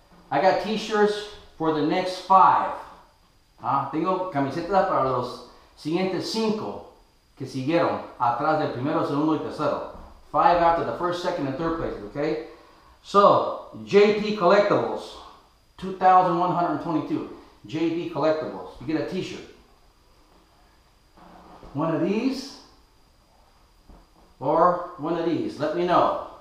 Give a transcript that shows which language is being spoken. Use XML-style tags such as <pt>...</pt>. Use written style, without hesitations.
<en>I got t-shirts for the next five.</en> <es>Tengo camisetas para los siguientes cinco. Que siguieron atrás del primero, segundo y tercero.</es> <en>Five after the first, second, and third places, okay? So, JP Collectibles, 2,122. JP Collectibles, you get a t-shirt. One of these, or one of these, let me know.</en>